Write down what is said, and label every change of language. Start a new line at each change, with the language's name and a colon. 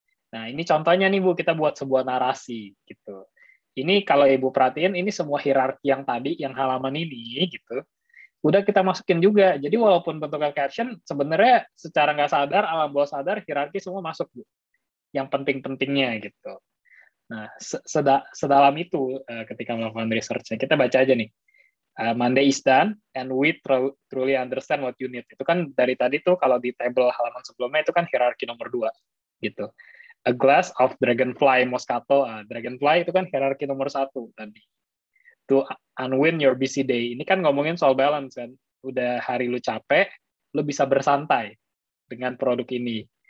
Indonesian: Nah, ini contohnya nih, Bu, kita buat sebuah narasi, gitu. Ini kalau Ibu perhatiin, ini semua hierarki yang tadi, yang halaman ini, gitu. Udah kita masukin juga. Jadi walaupun bentuknya caption, sebenarnya secara nggak sadar, alam bawah sadar, hierarki semua masuk, Bu. Yang penting-pentingnya, gitu. Nah, sedalam itu ketika melakukan research-nya. Kita baca aja nih.
English: Monday is done, and we truly understand what you need.
Indonesian: Itu kan dari tadi tuh, kalau di table halaman sebelumnya, itu kan hierarki nomor 2, gitu.
English: A glass of dragonfly moscato.
Indonesian: Dragonfly itu kan hierarki nomor 1 tadi.
English: To unwind your busy day.
Indonesian: Ini kan ngomongin soal balance kan. Udah hari lu capek, lu bisa bersantai dengan produk ini.